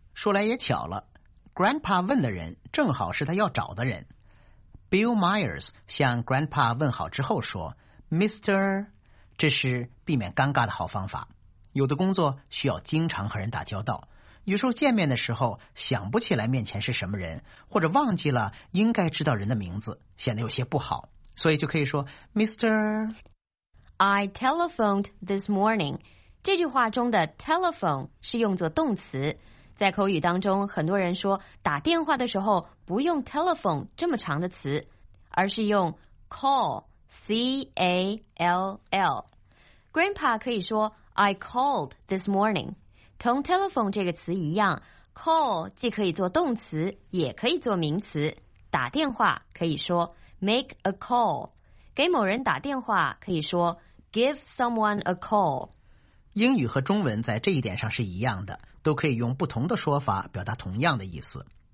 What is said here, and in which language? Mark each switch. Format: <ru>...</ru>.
<zh>说来也巧了， grandpa 问的人正好是他要找的人。 Bill Myers 向 grandpa 问好之后说 Mr. 这是避免尴尬的好方法。有的工作需要经常和人打交道，有时候见面的时候想不起来面前是什么人，或者忘记了应该知道人的名字，显得有些不好，所以就可以说 Mr.</zh> <en>I telephoned this morning.</en> <zh>这句话中的 telephone 是用作动词，在口语当中很多人说打电话的时候不用 telephone 这么长的词，而是用 call C-A-L-L. Grandpa 可以说</zh> <en>I called this morning.</en> <zh>同 telephone 这个词一样， call 既可以做动词也可以做名词，打电话可以说</zh> <en>Make a call，</en> <zh>给某人打电话可以说</zh> <en>Give someone a call。</en> <zh>英语和中文在这一点上是一样的，都可以用不同的说法表达同样的意思。</zh>